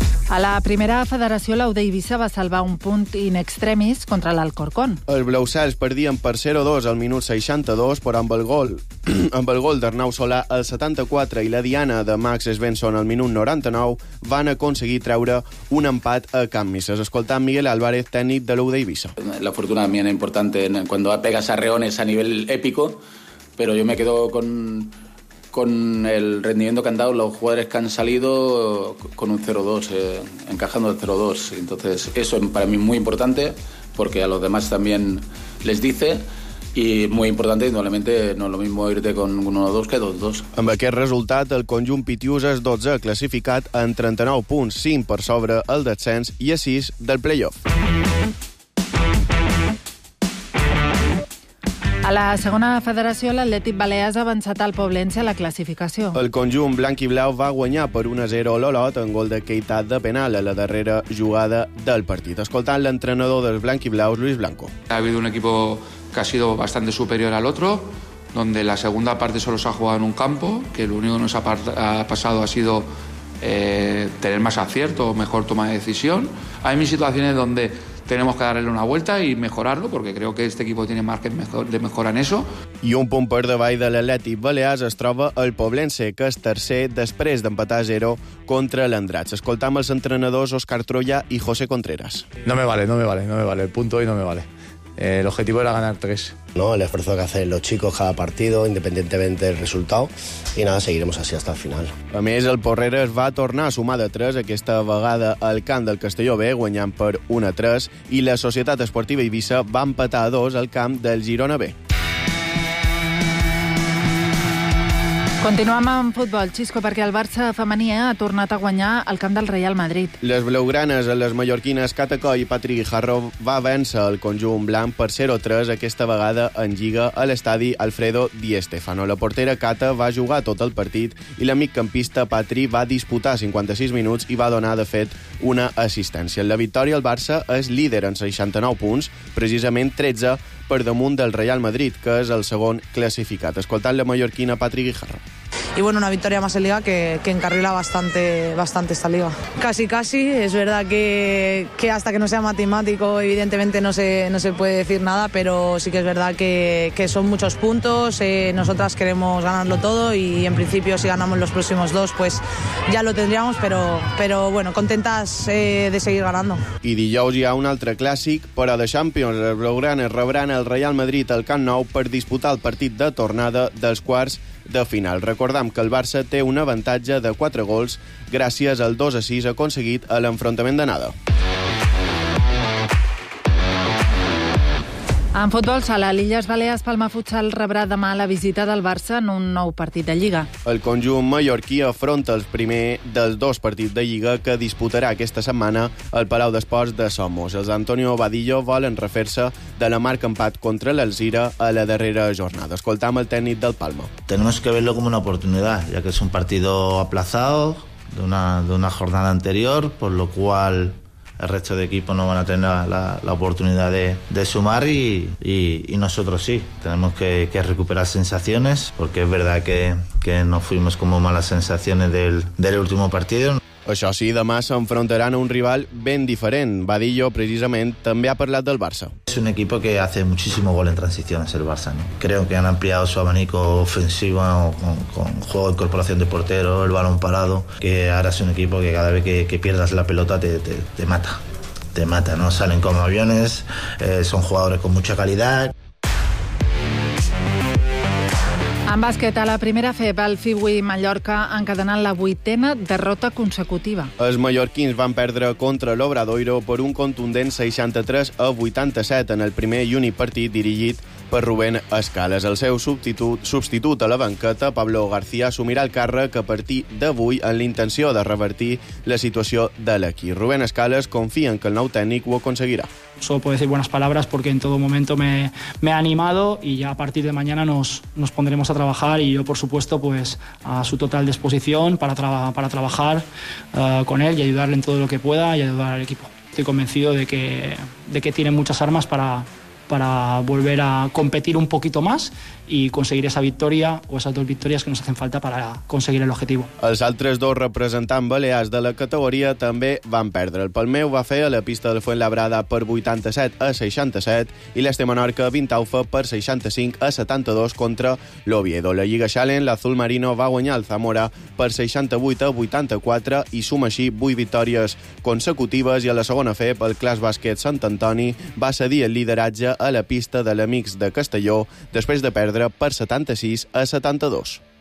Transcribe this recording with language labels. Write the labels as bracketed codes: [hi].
[ca] A la primera federació, l'AUD Eivissa va salvar un punt in extremis contra l'Alcorcón. Els blaucels perdien per 0-2 al minut 62, però amb el gol d'Arnau Solà al 74 i la diana de Max Svensson al minut 99 van aconseguir treure un empat a Camp Mises. Escoltant Miguel Álvarez, tècnic de l'AUD Eivissa. [es] La fortuna también es importante cuando pegas a reones a nivel épico, pero yo me quedo con el rendimiento que han dado los jugadores que han salido con un 0-2, encajando el 0-2. Entonces, eso es para mí muy importante, porque a los demás también les dice, y muy importante, indudablemente, no es lo mismo irte con 1-2 que 2-2. [ca] Amb aquest resultat, el conjunt pitiús és 12, classificat en 39 punts, 5 per sobre el descens i a 6 del play-off. A la segona federació, l'Atlètic Balears ha avançat al Poblense a la classificació. El conjunt blanc i blau va guanyar per 1-0 l'Olot en gol de Keita de penal a la darrera jugada del partit. Escoltant l'entrenador dels blanc i blaus, Luis Blanco. [es] Ha habido un equipo que ha sido bastante superior al otro, donde la segunda parte solo se ha jugado en un campo, que lo único que nos ha pasado ha sido tener más acierto o mejor toma de decisión. Hay mis situaciones donde tenemos que darle una vuelta y mejorarlo, porque creo que este equipo tiene margen de mejora en eso. [ca] I un punt per davall de l'Atlètic Balears es troba el Poblense, que és tercer després d'empatar 0 contra l'Andratx. Escoltam els entrenadors Òscar Troya i José Contreras. [es] No me vale. El punto hoy no me vale. El objetivo era ganar 3. No, el esfuerzo que hacen los chicos cada partido, independientemente del resultado, y nada, seguiremos así hasta el final. [ca] A més, el Porreres va tornar a sumar de 3, aquesta vegada al camp del Castelló B, guanyant per 1-3, i la Societat Esportiva Eivissa va empatar a 2 al camp del Girona B. Continuem amb futbol, Xisco, perquè el Barça femení ha tornat a guanyar al camp del Real Madrid. Les blaugranes, les mallorquines Catacó i Patri Guijarro va vèncer el conjunt blanc per 0-3 aquesta vegada en lliga a l'estadi Alfredo Di Stéfano. La portera Cata va jugar tot el partit i l'amic campista Patri va disputar 56 minuts i va donar, de fet, una assistència. En la victòria, el Barça és líder en 69 punts, precisament 13 per damunt del Real Madrid, que és el segon classificat. Escoltant la mallorquina Patri Guijarro. [es] Y bueno, una victoria más en Liga que encarrila bastante, bastante esta Liga. Casi, es verdad que hasta que no sea matemático evidentemente no se puede decir nada, pero sí que es verdad que son muchos puntos, nosotras queremos ganarlo todo y en principio si ganamos los próximos dos pues ya lo tendríamos, pero bueno, contentas de seguir ganando. [ca] I dijous hi ha un altre clàssic, però de Champions, el Blaugrana rebran el Real Madrid al Camp Nou per disputar el partit de tornada dels quarts de final. Recordem que el Barça té un avantatge de 4 gols gràcies al 2-6 aconseguit a l'enfrontament d'anada. En futbol sala, l'Illes Balears Palma Futsal rebrà demà la visita del Barça en un nou partit de Lliga. El conjunt mallorquí afronta el primer dels dos partits de Lliga que disputarà aquesta setmana al Palau d'Esports de Somos. Els Antonio Vadillo volen refer-se de la marca empat contra l'Alzira a la darrera jornada. Escoltam el tècnic del Palma. [es] Tenemos que verlo como una oportunidad, ya que es un partido aplazado de una jornada anterior, por lo cual el resto de equipos no van a tener la oportunidad de sumar y nosotros sí. Tenemos que recuperar sensaciones, porque es verdad que no fuimos como malas sensaciones del último partido. [ca] Això sí, demà s'enfrontaran a un rival ben diferent. Vadillo, precisament, també ha parlat del Barça. [es] Es un equipo que hace muchísimo gol en transiciones, el Barça, ¿no? Creo que han ampliado su abanico ofensivo con juego de incorporación de portero, el balón parado, que ahora es un equipo que cada vez que pierdas la pelota te mata, ¿no? Salen como aviones, son jugadores con mucha calidad. [ca] En bàsquet, a la primera FEB, el Fibui Mallorca encadenant la 8a derrota consecutiva. Els mallorquins van perdre contra l'Obradoiro per un contundent 63-87 en el primer i únic partit dirigit per Rubén Escales. El seu substitut a la banqueta, Pablo García, assumirà el càrrec a partir d'avui en l'intenció de revertir la situació de l'equip. Rubén Escales confia en que el nou tècnic ho aconseguirà. [es] Solo puedo decir buenas palabras porque en todo momento me ha animado y ya a partir de mañana nos pondremos a trabajar y yo, por supuesto, pues a su total disposición para trabajar con él y ayudarle en todo lo que pueda y ayudar al equipo. Estoy convencido de que tiene muchas armas para volver a competir un poquito más y conseguir esa victoria o esas dos victorias que nos hacen falta para conseguir el objetivo. [ca] Els altres dos representants balears de la categoria també van perdre. El Palmeu va fer a la pista del Fuenlabrada per 87-67 i l'Este Menorca Vintaufa per 65-72 contra l'Oviedo. La Lliga Challenge, l'Azul Marino va guanyar el Zamora per 68-84 i suma així 8 victòries consecutives, i a la segona FEP el Clas Bàsquet Sant Antoni va cedir el lideratge a la pista de l'Amics de Castelló després de perdre per 76-72.